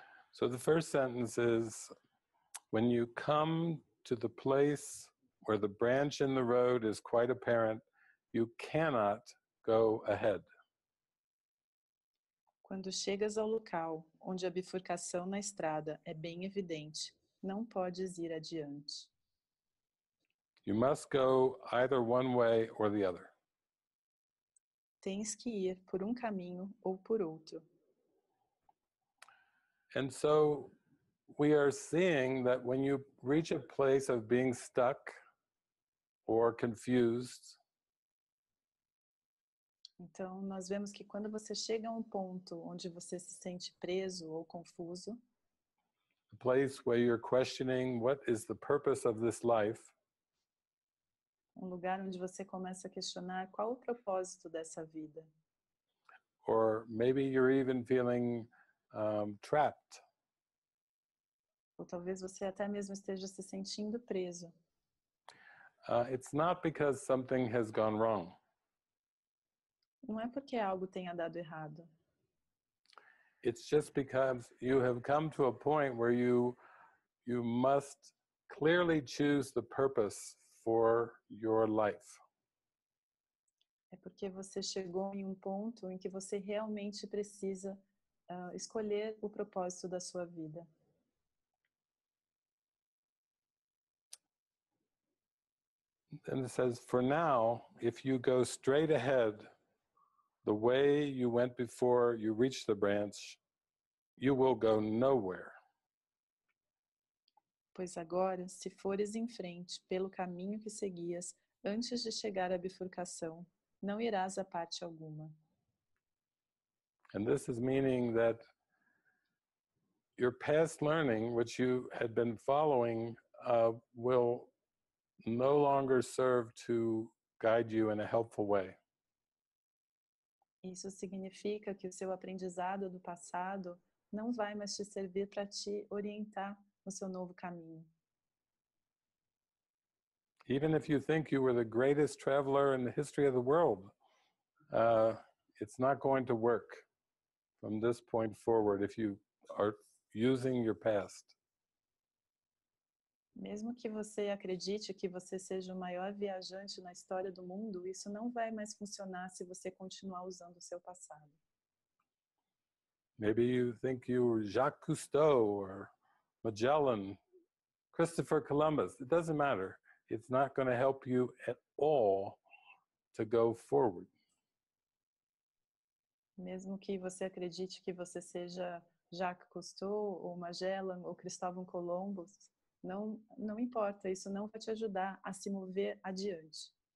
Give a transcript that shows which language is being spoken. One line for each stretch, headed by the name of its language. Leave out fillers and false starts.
English: So the first sentence is, when you come to the place where the branch in the road is quite apparent, you cannot go ahead.
Portuguese: Quando chegas ao local onde a bifurcação na estrada é bem evidente, não podes ir adiante.
English: You must go either one way or the other.
Portuguese: Tens que ir por caminho ou por outro.
English: And so we are seeing that when you reach a place of being stuck or confused.
Portuguese: Então, nós vemos que quando você chega a ponto onde você se sente preso ou confuso,
English: a place where you're questioning what is the purpose of this life,
Portuguese: lugar onde você começa a questionar qual o propósito dessa vida,
English: or maybe you're even feeling trapped,
Portuguese: ou talvez você até mesmo esteja se sentindo preso.
English: It's not because something has gone wrong.
Portuguese: Não é porque algo tenha dado errado.
English: It's just because you have come to a point where you must clearly choose the purpose for your life.
Portuguese: É porque você chegou em ponto em que você realmente precisa escolher o propósito da sua vida.
English: Then it says, for now, if you go straight ahead, the way you went before you reach the branch, you will go nowhere.
Portuguese: Pois agora, se fores em frente pelo caminho que seguias, antes de chegar à bifurcação, não irás a parte alguma.
English: And this is meaning that your past learning, which you had been following, will no longer serve to guide you in a helpful way.
Portuguese: Isso significa que o seu aprendizado do passado não vai mais te servir para te orientar no seu novo caminho.
English: Even if you think you were the greatest traveler in the history of the world, it's not going to work from this point forward if you are using your past.
Portuguese: Mesmo que você acredite que você seja o maior viajante na história do mundo, isso não vai mais funcionar se você continuar usando o seu passado.
English: Maybe you think you're Jacques Cousteau or Magellan, Christopher Columbus. It doesn't matter. It's not going to help you at all to go forward.
Portuguese: Mesmo que você acredite que você seja Jacques Cousteau ou Magellan ou Cristóvão Colombo, não importa, isso não vai te ajudar a se mover adiante.